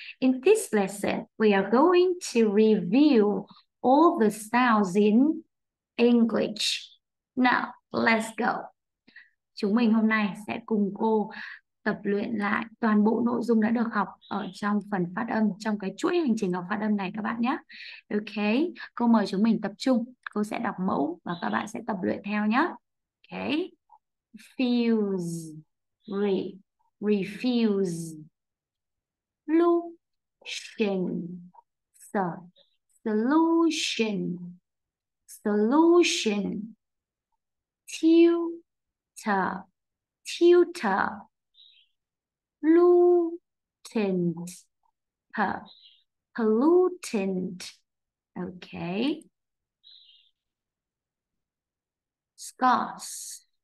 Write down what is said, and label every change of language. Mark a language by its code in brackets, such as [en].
[en] In this lesson, we are going to review all the sounds in English. Now, let's go. [vi] Chúng mình hôm nay sẽ cùng cô tập luyện lại toàn bộ nội dung đã được học ở trong phần phát âm, trong cái chuỗi hành trình học phát âm này các bạn nhé. Ok, cô mời chúng mình tập trung. Cô sẽ đọc mẫu và các bạn sẽ tập luyện theo nhé. [en] Ok. Fuse, refuse, solution, solution, solution, tutor, tutor, pollutant, pollutant, okay, scarce.